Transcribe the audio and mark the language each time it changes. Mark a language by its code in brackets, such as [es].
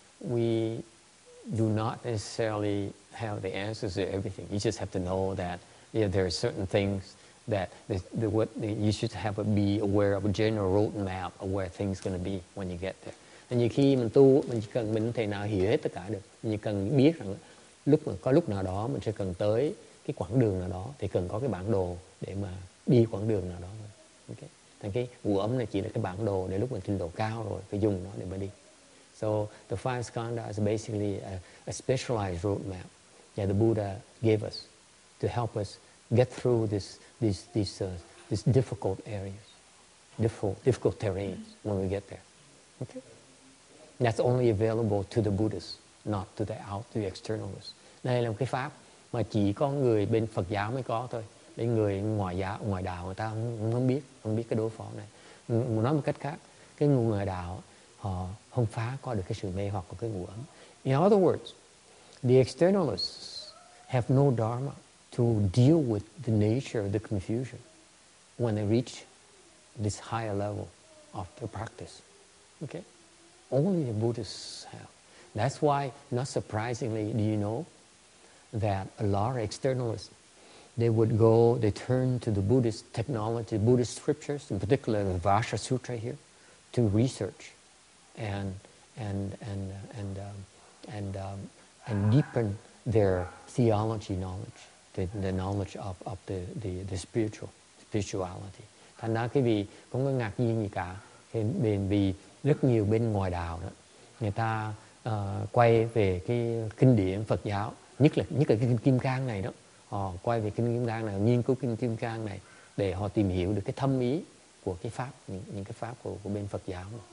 [en] We do not necessarily have the answers to everything. You just have to know that there are certain things that you should have be aware of a general roadmap of where things are going to be when you get there. [vi] And nhiều khi mình tu, mình chỉ cần mình có thể nào hiểu hết tất cả được. Mình cần biết rằng lúc mà có lúc nào đó mình sẽ cần tới cái quãng đường nào đó thì cần có cái bản đồ để mà đi quãng đường nào đó. Okay. Thành cái ngũ ấm này chỉ là cái bản đồ để lúc mình trình độ cao rồi phải dùng nó để mà đi. [en] So the five skandhas is basically a specialized roadmap that the Buddha gave us to help us get through this difficult areas, difficult terrains when we get there. Okay. That's only available to the Buddhists, not to the out, to the externalists. [vi] Đây là một cái pháp mà chỉ có người bên Phật giáo mới có thôi. Bên người ngoài giáo, ngoài đạo người ta không biết cái đối phó này. Nói một cách khác, cái người ngoài đạo họ không phá có được cái sự mê hoặc của cái ngũ ấm. [en] In other words, the externalists have no dharma to deal with the nature of the confusion when they reach this higher level of the practice. Okay? Only the Buddhists have. That's why, not surprisingly, do you know that a lot of externalists, they turn to the Buddhist technology, Buddhist scriptures, in particular the Vajra Sutra here, to research and deepen their theology knowledge. the knowledge of the spirituality. [vi] Thành ra cái vị không có ngạc nhiên gì cả, bên vì rất nhiều bên ngoài đạo đó, người ta quay về cái kinh điển Phật giáo, nhất là cái kinh Kim Cang này đó, họ quay về kinh Kim Cang này, nghiên cứu kinh Kim Cang này để họ tìm hiểu được cái thâm ý của cái pháp, những cái pháp của bên Phật giáo.